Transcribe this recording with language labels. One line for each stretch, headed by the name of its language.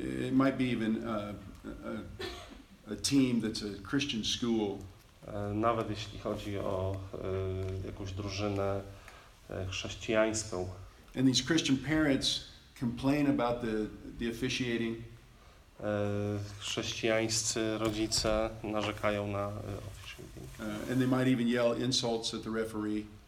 English: It might be even a team that's a Christian school.
Polish: Nawet jeśli chodzi o jakąś drużynę chrześcijańską.
English: And these Christian parents complain about the officiating.
Polish: Chrześcijańscy rodzice narzekają na officiating.
English: And they might even yell insults at the referee.